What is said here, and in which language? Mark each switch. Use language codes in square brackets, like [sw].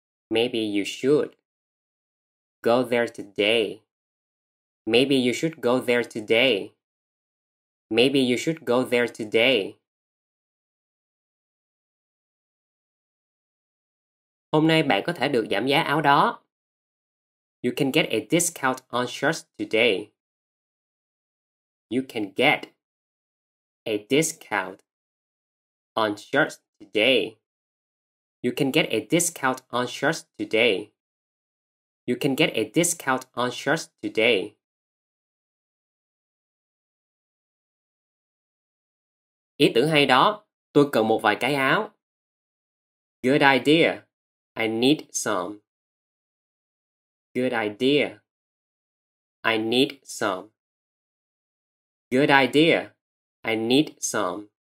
[en] Maybe you should go there today. Maybe you should go there today. Maybe you should go there today. [vi] Hôm nay bạn có thể được giảm giá áo đó. [en] You can get a discount on shirts today. You can get a discount on shirts today. You can get a discount on shirts today. You can get a discount on shirts today. [vi] Ý tưởng hay đó, tôi cần một vài cái áo. [en] Good idea. I need some. Good idea. I need some. Good idea. I need some.